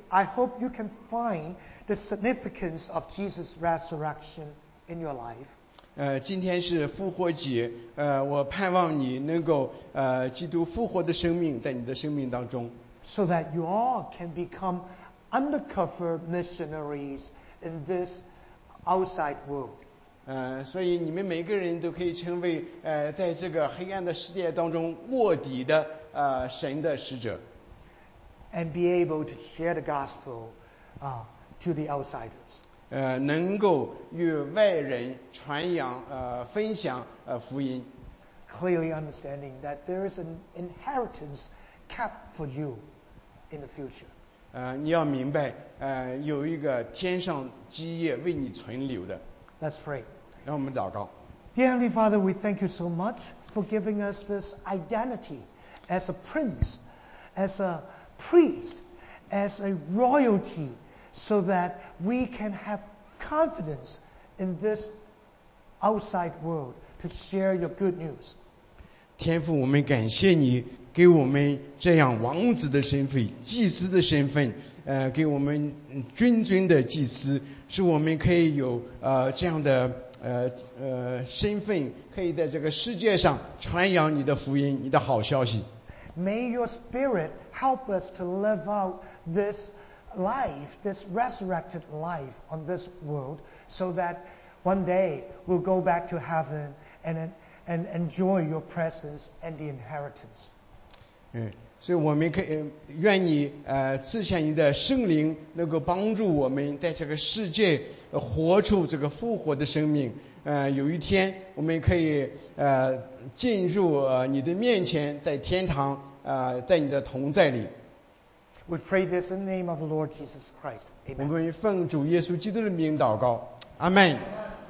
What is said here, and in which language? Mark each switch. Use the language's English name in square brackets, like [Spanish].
[English] I hope you can find the significance of Jesus' resurrection in your life. [Chinese] 今天是复活节，我盼望你能够基督复活的生命在你的生命当中。 [English] So that you all can become undercover missionaries in this outside world. [Chinese] 所以你们每个人都可以成为在这个黑暗的世界当中卧底的神的使者。 [English] And be able to share the gospel to the outsiders. [Chinese] 能够与外人传扬分享福音。 [English] Clearly understanding that there is an inheritance kept for you in the future. [Chinese] 你要明白有一个天上基业为你存留的。 [English] Let's pray. [Chinese] 让我们祷告。 [English] Dear Heavenly Father, we thank you so much for giving us this identity as a prince, as a priest, as a royalty, so that we can have confidence in this outside world to share your good news. [Chinese] 天父，我们感谢你给我们这样王子的身份，祭司的身份，给我们君尊的祭司，使我们可以有这样的身份，可以在这个世界上传扬你的福音，你的好消息。 [English] May your spirit help us to live out this life, this resurrected life on this world, so that one day we'll go back to heaven and enjoy your presence and the inheritance. [Chinese] 所以我们可以愿你赐下你的圣灵，能够帮助我们在这个世界活出这个复活的生命。有一天我们可以进入你的面前，在天堂在你的同在里。 [English] We pray this in the name of the Lord Jesus Christ. Amen. [Chinese] 我们奉主耶稣基督的名祷告，阿门。